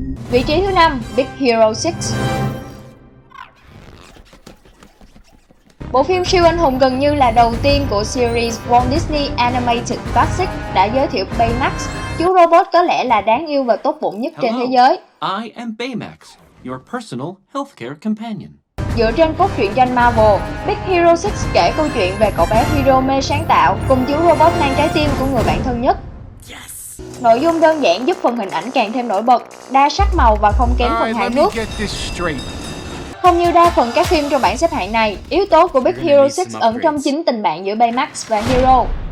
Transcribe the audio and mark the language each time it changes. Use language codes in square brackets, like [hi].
[vi] Vị trí thứ 5, Big Hero 6. Bộ phim siêu anh hùng gần như là đầu tiên của series Walt Disney Animated Classic đã giới thiệu Baymax, chú robot có lẽ là đáng yêu và tốt bụng nhất trên thế giới. [en] I am Baymax, your personal healthcare companion. [vi] Dựa trên cốt truyện tranh Marvel, Big Hero 6 kể câu chuyện về cậu bé Hiro mê sáng tạo cùng chú robot mang trái tim của người bạn thân nhất. Yes. Nội dung đơn giản giúp phần hình ảnh càng thêm nổi bật, đa sắc màu và không kém phần hài hước. Không như đa phần các phim trong bảng xếp hạng này, yếu tố của Big Hero 6 ẩn trong chính tình bạn giữa Baymax và Hiro.